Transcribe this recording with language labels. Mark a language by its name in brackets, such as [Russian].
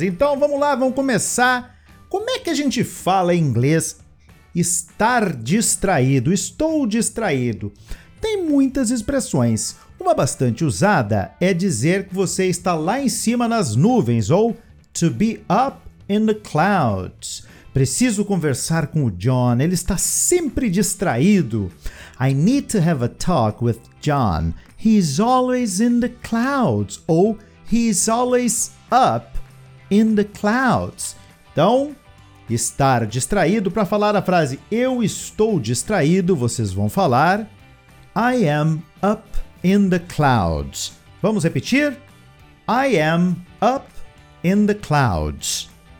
[Portuguese] Então vamos lá, vamos começar. Como é que a gente fala em inglês estar distraído, estou distraído? Tem muitas expressões. Uma bastante usada é dizer que você está lá em cima nas nuvens, ou [English] to be up in the clouds. [Portuguese] Preciso conversar com o John, ele está sempre distraído. [English] I need to have a talk with John, he's always in the clouds. Ou he's always up in the clouds. [Portuguese] Então, estar distraído, para falar a frase eu estou distraído, vocês vão falar [English] I am up in the clouds. [Portuguese] Vamos repetir? [English] I am up in the clouds.